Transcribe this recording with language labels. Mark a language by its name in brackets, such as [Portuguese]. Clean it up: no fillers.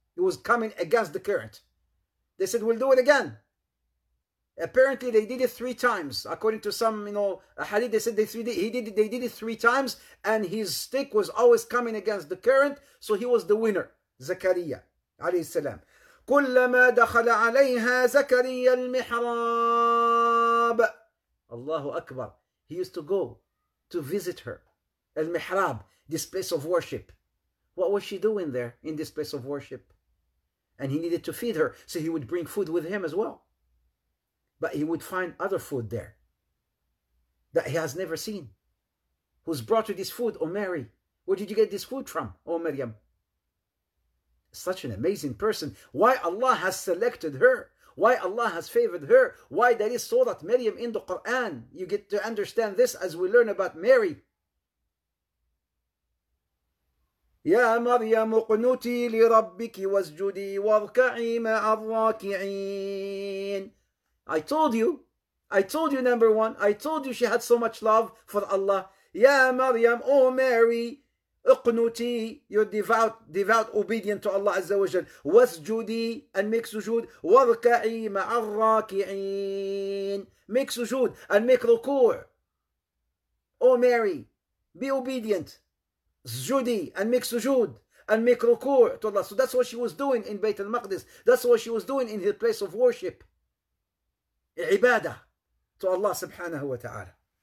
[English] It was coming against the current. They said, we'll do it again. Apparently, they did it three times. According to some, you know, hadith, they said they did it three times. And his stick was always coming against the current. So he was the winner, Zakaria, alayhi salam. [Arabic] كُلَّمَا دَخَلَ عَلَيْهَا زَكَرِيَّا الْمِحْرَابِ Allahu Akbar. [English] He used to go to visit her. Al-Mihrab, this place of worship. What was she doing there in this place of worship? And he needed to feed her. So he would bring food with him as well. But he would find other food there that he has never seen. Who's brought you this food, O Mary? Where did you get this food from, O Maryam? Such an amazing person. Why Allah has selected her? Why Allah has favored her? Why there is Surah Maryam in the Quran? You get to understand this as we learn about Mary. [Arabic] يا مريم اقنتي لربك واسجدي واركعي مع الراكعين. [English] I told you, number one, I told you she had so much love for Allah. Ya Maryam, O Mary, اقنتي, you're devout, obedient to Allah Azza wa Jal. [Arabic] واسجدي, [English] and make sujood, [Arabic] واركعي مع الراكعين. [English] Make sujood, and make ركوع. O Mary, be obedient. Sujudi, and make sujood, and make ركوع to Allah. So that's what she was doing in Bayt al-Maqdis. That's what she was doing in her place of worship. Ibadah to Allah subhanahu wa ta'ala.